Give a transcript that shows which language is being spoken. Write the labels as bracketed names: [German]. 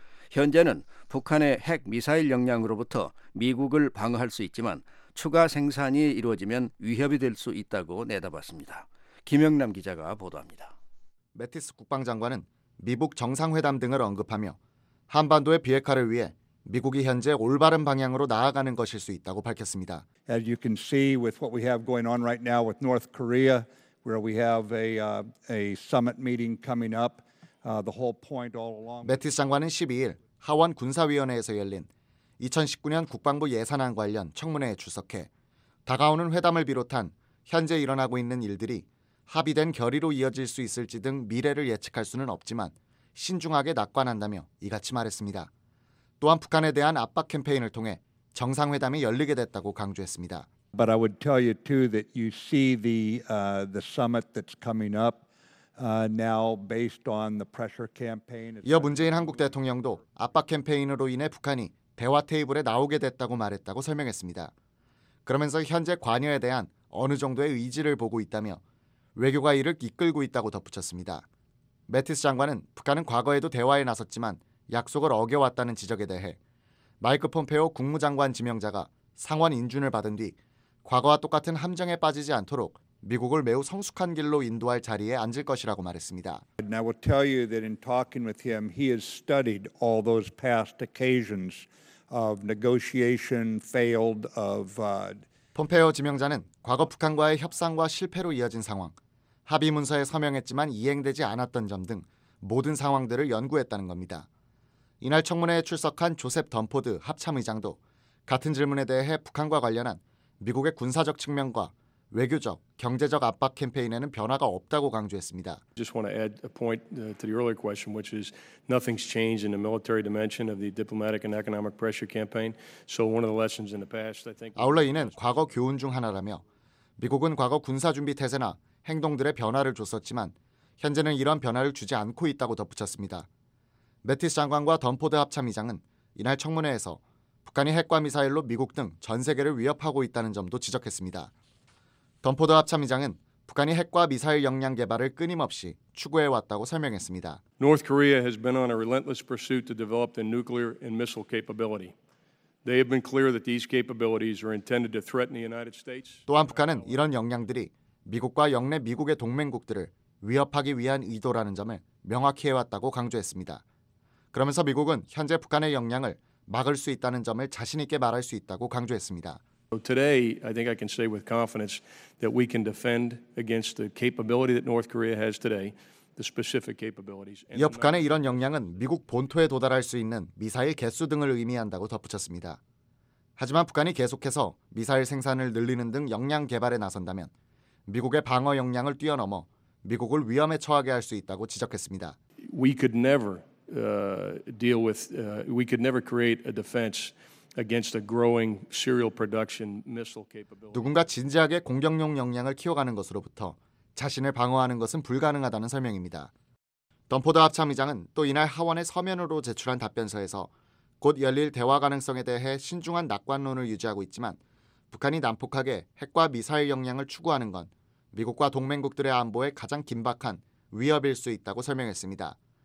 [Korean] 현재는 북한의 핵미사일 역량으로부터 미국을 방어할 수 있지만 추가 생산이 이루어지면 위협이 될 수 있다고 내다봤습니다. 김영남 기자가 보도합니다. 매티스 국방장관은 미북 정상회담 등을 언급하며 한반도의 비핵화를 위해 미국이 현재 올바른 방향으로 나아가는 것일 수 있다고 밝혔습니다. [English] As you can see with what we have going on right now with North Korea, where we have a summit meeting coming up, the whole point all along. [Korean] 매티스 장관은 12일 하원 군사위원회에서 열린 2019년 국방부 예산안 관련 청문회에 출석해 다가오는 회담을 비롯한 현재 일어나고 있는 일들이 합의된 결의로 이어질 수 있을지 등 미래를 예측할 수는 없지만 신중하게 낙관한다며 이같이 말했습니다. 또한 북한에 대한 압박 캠페인을 통해 정상회담이 열리게 됐다고 강조했습니다. [English] But I would tell you too that you see the summit that's coming up now based on the pressure campaign. [Korean] 이어 문재인 한국 대통령도 압박 캠페인으로 인해 북한이 대화 테이블에 나오게 됐다고 말했다고 설명했습니다. 그러면서 현재 관여에 대한 어느 정도의 의지를 보고 있다며 외교가 이를 이끌고 있다고 덧붙였습니다. 매티스 장관은 북한은 과거에도 대화에 나섰지만 약속을 어겨왔다는 지적에 대해 마이크 폼페오 국무장관 지명자가 상원 인준을 받은 뒤 과거와 똑같은 함정에 빠지지 않도록 미국을 매우 성숙한 길로 인도할 자리에 앉을 것이라고 말했습니다. [English] And I will tell you that in talking with him, he has studied all those past occasions of negotiation failed of. [Korean] 폼페오 지명자는 과거 북한과의 협상과 실패로 이어진 상황, 합의 문서에 서명했지만 이행되지 않았던 점 등 모든 상황들을 연구했다는 겁니다. 이날 청문회에 출석한 조셉 던포드 합참의장도 같은 질문에 대해 북한과 관련한 미국의 군사적 측면과 외교적, 경제적 압박 캠페인에는 변화가 없다고 강조했습니다. [English] Just want to add a point to the earlier question, which is nothing's changed in the military dimension of the diplomatic and economic pressure campaign. So one of the lessons in the past, I think. [Korean] 아울러 이는 과거 교훈 중 하나라며 미국은 과거 군사 준비 태세나 행동들의 변화를 줬었지만 현재는 이런 변화를 주지 않고 있다고 덧붙였습니다. 매티스 장관과 던포드 합참의장은 이날 청문회에서 북한이 핵과 미사일로 미국 등 전 세계를 위협하고 있다는 점도 지적했습니다. 던포드 합참의장은 북한이 핵과 미사일 역량 개발을 끊임없이 추구해 왔다고 설명했습니다. [English] North Korea has been on a relentless pursuit to develop the nuclear and missile capability. They have been clear that these capabilities are intended to threaten the United States. [Korean] 또한 북한은 이런 역량들이 미국과 영내 미국의 동맹국들을 위협하기 위한 의도라는 점을 명확히 해왔다고 강조했습니다. 그러면서 미국은 현재 북한의 역량을 막을 수 있다는 점을 자신 있게 말할 수 있다고 강조했습니다. [English] Today, I think I can say with confidence that we can defend against the capability that North Korea has today, the specific capabilities. [Korean] 이어 북한의 이런 역량은 미국 본토에 도달할 수 있는 미사일 개수 등을 의미한다고 덧붙였습니다. 하지만 북한이 계속해서 미사일 생산을 늘리는 등 역량 개발에 나선다면 미국의 방어 역량을 뛰어넘어 미국을 위험에 처하게 할 수 있다고 지적했습니다. [English] We could never deal with we could never create a defense against a growing serial production missile capability. [Korean] 누군가 진지하게 공격용 역량을 키워가는 것으로부터 자신을 방어하는 것은 불가능하다는 설명입니다. 덤포드 합참의장은 또 이날 하원에 서면으로 제출한 답변서에서 곧 열릴 대화 가능성에 대해 신중한 낙관론을 유지하고 있지만 북한이 난폭하게 핵과 미사일 역량을 추구하는 건 미국과 동맹국들의 안보에 가장 긴박한 위협일 수 있다고 설명했습니다.